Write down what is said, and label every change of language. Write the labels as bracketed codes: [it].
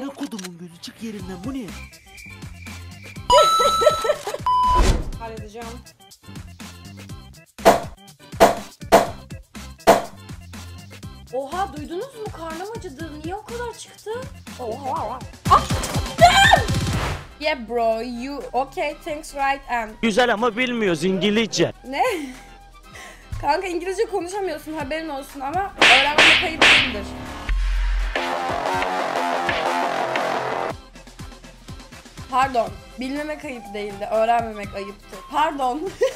[tr] Ne kodumun gözü, çık yerinden, bu ne? Halledeceğim. Oha, duydunuz mu, karnım acıdı, niye o kadar çıktı? Oha. [en] Yeah bro, you okay, thanks right and. [tr] Güzel ama bilmiyoruz İngilizce. Ne? Kanka İngilizce konuşamıyorsun, haberin olsun ama öğrenme kayıtsındır. Pardon, bilmemek ayıp değildi, öğrenmemek ayıptı. Pardon.